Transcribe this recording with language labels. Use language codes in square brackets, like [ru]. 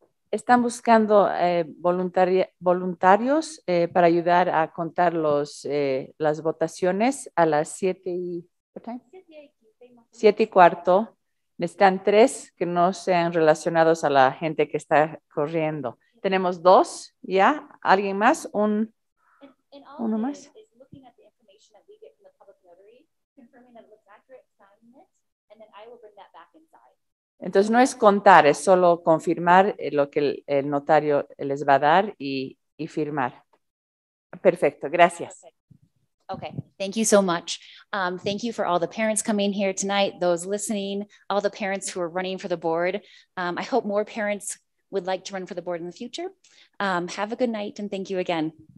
[es] Están buscando voluntarios para ayudar a contar las votaciones a las 7:15. Necesitan 3 que no sean relacionados a la gente que está corriendo. Tenemos 2 ya. ¿Alguien más? ¿Uno más? [en] Is looking at the information that we get from the public notary, confirming that it looks accurate, signing it, and then then I will bring that back inside. [es] Entonces no es contar, es solo confirmar lo que el notario les va a dar y firmar. Perfecto, gracias. [en] Okay, thank you so much. Thank you for all the parents coming here tonight, those listening, all the parents who are running for the board. I hope more parents would like to run for the board in the future. Have a good night and thank you again.